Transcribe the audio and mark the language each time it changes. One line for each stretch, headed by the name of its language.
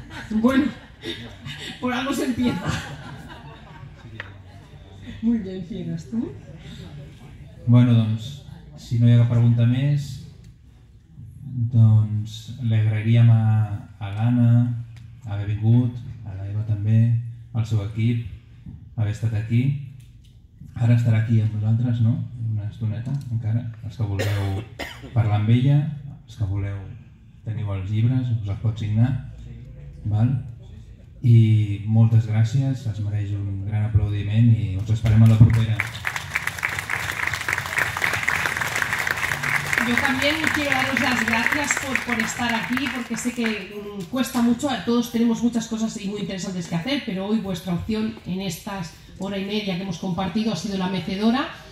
Spanish: Bueno, por algo se empieza. Muy bien, ¿fieras tú?
Catalan: Bueno, doncs, si no hi ha cap pregunta més, doncs, li agrairíem a l'Anna haver vingut, a l'Eva també, al seu equip, haver estat aquí. Ara estarà aquí amb nosaltres, no? Una estoneta, encara. Els que voleu parlar amb ella, els que voleu, teniu els llibres, us els pot signar. Val? I moltes gràcies, es mereix un gran aplaudiment i us esperem a la propera.
Spanish: Yo también quiero daros las gracias por estar aquí, porque sé que cuesta mucho, todos tenemos muchas cosas y muy interesantes que hacer, pero hoy vuestra opción en estas hora y media que hemos compartido ha sido La Mecedora.